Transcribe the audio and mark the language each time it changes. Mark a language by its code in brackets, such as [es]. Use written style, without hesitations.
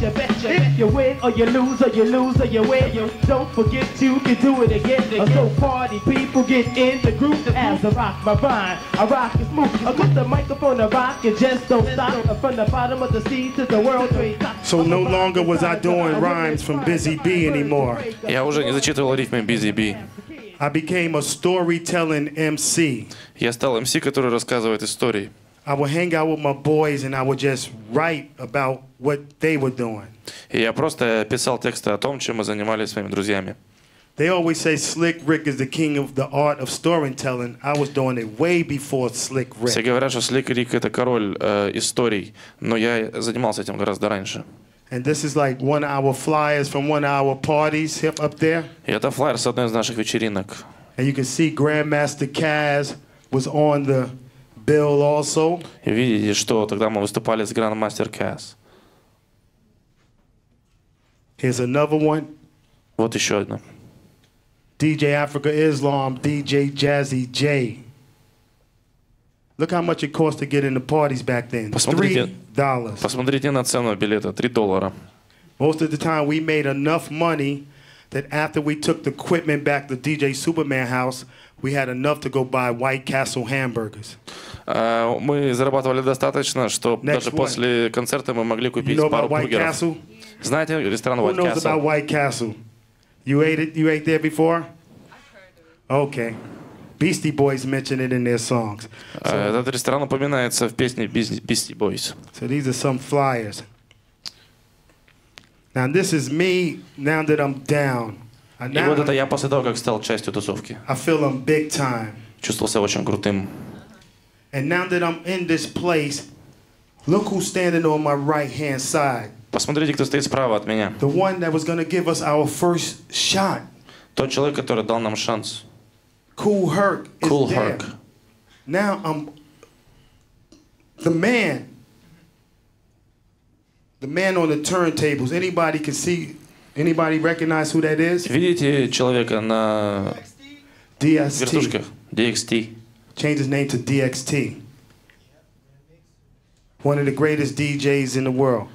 [en] You bet you win or you lose, or you lose or you win. Don't forget. You can do it again. So party people get in the group. As I rock my rhyme, I rock it smooth. I put the microphone to rock and just don't stop. From the bottom of the sea to the world. So no longer was I doing rhymes from Busy B anymore. [ru] Я уже не зачитывал рифмы Busy B. [en] I became a storytelling MC. [ru] Я стал MC, который рассказывает истории. [en] I would hang out with my boys and I would just write about what they were doing. [ru] И я просто писал тексты о том, чем мы занимались с моими друзьями. [en] They always say Slick Rick is the king of the art of storytelling. I was doing it way before Slick Rick. [ru] Все говорят, что Slick Rick это король историй, но я занимался этим гораздо раньше. [en] And this is like 1 hour flyers from 1 hour parties hip up there. [ru] И это флаер с одной из наших вечеринок. [en] And you can see Grandmaster Caz was on the bill also. [ru] И видите, что тогда мы выступали с Grandmaster Caz. [en] Here's another one. [ru] Вот еще одна. [en] DJ Afrika Islam, DJ Jazzy Jay. Look how much it cost to get in the parties back then. $3. [ru] Посмотрите на цену билета, $3. [en] Most of the time we made enough money that after we took the equipment back to DJ Superman house, we had enough to go buy White Castle hamburgers. [ru] Мы зарабатывали достаточно, что даже после концерта мы могли купить пару бургеров. [en] White Castle? [ru] Знаете ресторан White Castle? [en] Who knows about White Castle? You ate it? You ate there before? I've heard of it. Okay. Beastie Boys mention it in their songs. [ru] Этот ресторан упоминается в песне Beastie Boys. [en] So these are some flyers. Now this is me now that I'm down. [ru] И вот это я после того, как стал частью тусовки. [en] I feel I'm big time. [ru] Чувствовал себя очень крутым. [en] And now that I'm in this place, look who's standing on my right-hand side. [ru] Посмотрите, кто стоит справа от меня. [en] The one that was gonna give us our first shot. [ru] Тот человек, который дал нам шанс. [en] Kool Herc is Kool there. Herc. Now I'm the man. The man on the turntables. Anybody can see, anybody recognize who that is? [ru] Видите человека на вертушках? [en] DXT. Change his name to DXT. One of the greatest DJs in the world.